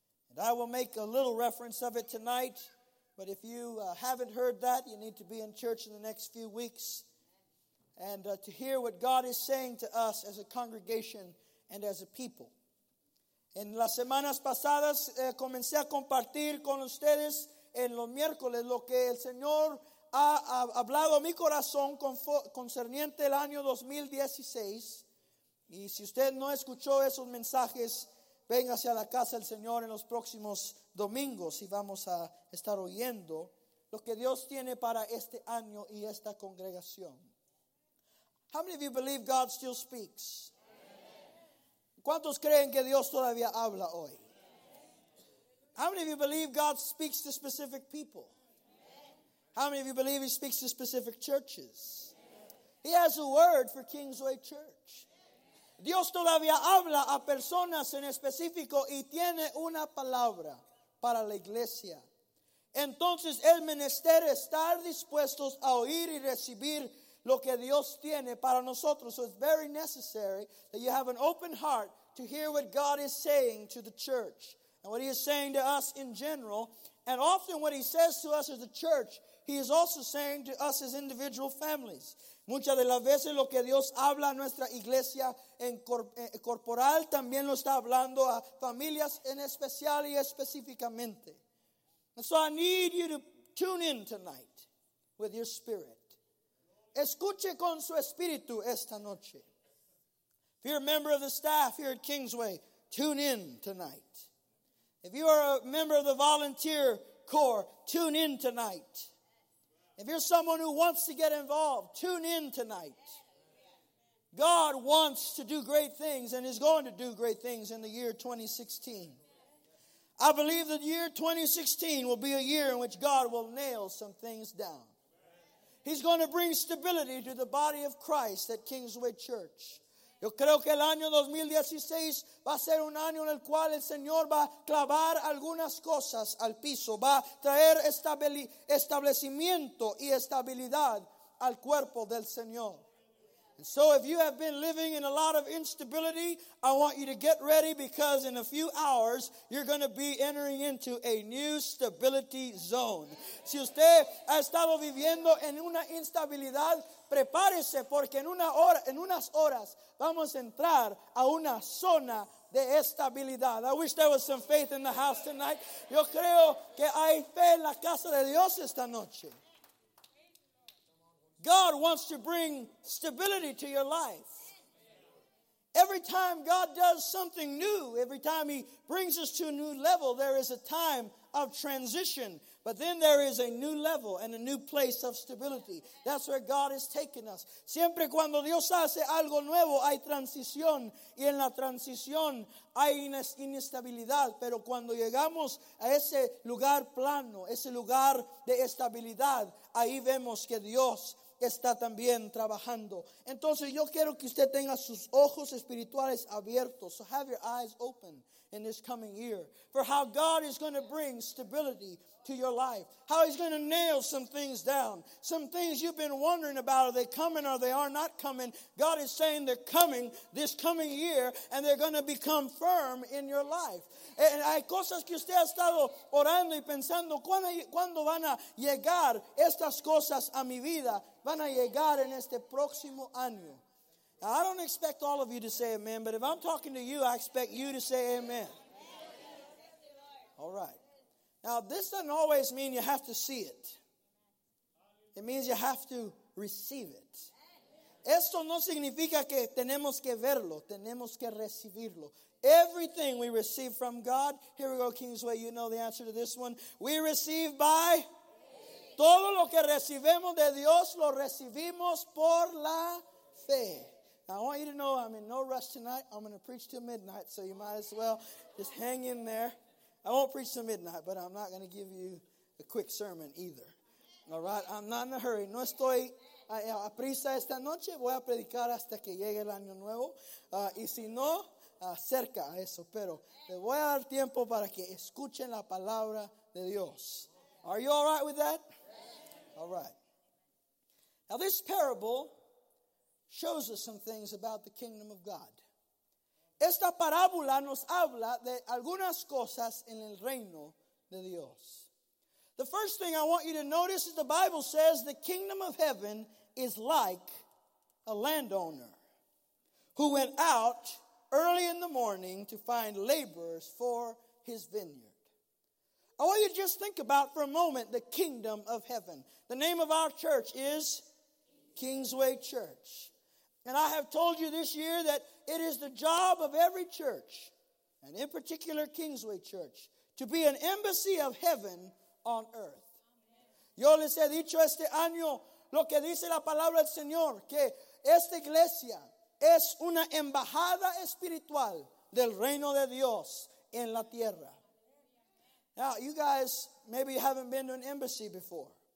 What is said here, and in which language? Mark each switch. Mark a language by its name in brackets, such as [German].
[English] And I will make a little reference of it tonight, but if you haven't heard that, you need to be in church in the next few weeks and to hear what God is saying to us as a congregation and as a people. [Spanish] En las semanas pasadas comencé a compartir con ustedes en los miércoles lo que el Señor ha hablado mi corazón concerniente el año 2016. Y si usted no escuchó esos mensajes, venga hacia la casa del Señor en los próximos domingos y vamos a estar oyendo lo que Dios tiene para este año y esta congregación. [English] How many of you believe God still speaks? Amen. [Spanish] ¿Cuántos creen que Dios todavía habla hoy? Amen. [English] How many of you believe God speaks to specific people? Amen. How many of you believe he speaks to specific churches? Amen. He has a word for Kingsway Church. Amen. [Spanish] Dios todavía habla a personas en específico y tiene una palabra para la iglesia. Entonces, el menester estar dispuestos a oír y recibir lo que Dios tiene para nosotros. [English] So it's very necessary that you have an open heart to hear what God is saying to the church and what he is saying to us in general. And often what he says to us as a church, he is also saying to us as individual families. [Spanish] Muchas de las veces lo que Dios habla a nuestra iglesia en corporal también lo está hablando a familias en especial y específicamente. [English] And so I need you to tune in tonight with your spirit. [Spanish] Escuche con su espíritu esta noche. [English] If you're a member of the staff here at Kingsway, tune in tonight. If you are a member of the volunteer corps, tune in tonight. If you're someone who wants to get involved, tune in tonight. God wants to do great things and is going to do great things in the year 2016. I believe that the year 2016 will be a year in which God will nail some things down. He's going to bring stability to the body of Christ at Kingsway Church. [Spanish] Yo creo que el año 2016 va a ser un año en el cual el Señor va a clavar algunas cosas al piso, va a traer establecimiento y estabilidad al cuerpo del Señor. [English] And so if you have been living in a lot of instability, I want you to get ready because in a few hours, you're going to be entering into a new stability zone. [Spanish] Si usted ha estado viviendo en una instabilidad, prepárese porque en unas horas vamos a entrar a una zona de estabilidad. [English] I wish there was some faith in the house tonight. [Spanish] Yo creo que hay fe en la casa de Dios esta noche. [English] God wants to bring stability to your life. Every time God does something new, every time he brings us to a new level, there is a time of transition. But then there is a new level and a new place of stability. That's where God has taken us. [Spanish] Siempre cuando Dios hace algo nuevo, hay transición. Y en la transición hay inestabilidad. Pero cuando llegamos a ese lugar plano, ese lugar de estabilidad, ahí vemos que Dios está también trabajando. Entonces yo quiero que usted tenga sus ojos espirituales abiertos. [English] So have your eyes open in this coming year for how God is going to bring stability to your life. How he's going to nail some things down. Some things you've been wondering about. Are they coming or they are not coming? God is saying they're coming this coming year and they're going to become firm in your life. [Spanish] And hay cosas que usted ha estado orando y pensando, ¿cuándo van a llegar estas cosas a mi vida? Van a llegar en este próximo año. [English] Now, I don't expect all of you to say amen, but if I'm talking to you, I expect you to say amen. All right. Now, this doesn't always mean you have to see it. It means you have to receive it. [Spanish] Esto no significa que tenemos que verlo, tenemos que recibirlo. [English] Everything we receive from God, here we go, Kingsway, you know the answer to this one. We receive by? [Spanish] Todo lo que recibimos de Dios lo recibimos por la fe. [English] Now, I want you to know I'm in no rush tonight. I'm going to preach till midnight, so you might as well just hang in there. I won't preach till midnight, but I'm not going to give you a quick sermon either. All right? I'm not in a hurry. [Spanish] No estoy a prisa esta noche. Voy a predicar hasta que llegue el año nuevo. Y si no, cerca a eso. Pero le voy a dar tiempo para que escuchen la palabra de Dios. [English] Are you all right with that? All right. Now this parable shows us some things about the kingdom of God. [Spanish] Esta parábola nos habla de algunas cosas en el reino de Dios. [English] The first thing I want you to notice is the Bible says the kingdom of heaven is like a landowner who went out early in the morning to find laborers for his vineyard. I want you to just think about for a moment the kingdom of heaven. The name of our church is Kingsway Church. And I have told you this year that it is the job of every church, and in particular Kingsway Church, to be an embassy of heaven on earth. [Spanish] Yo les he dicho este año lo que dice la palabra del Señor, que esta iglesia es una embajada espiritual del reino de Dios en la tierra. [English] Now, you guys maybe haven't been to an embassy before.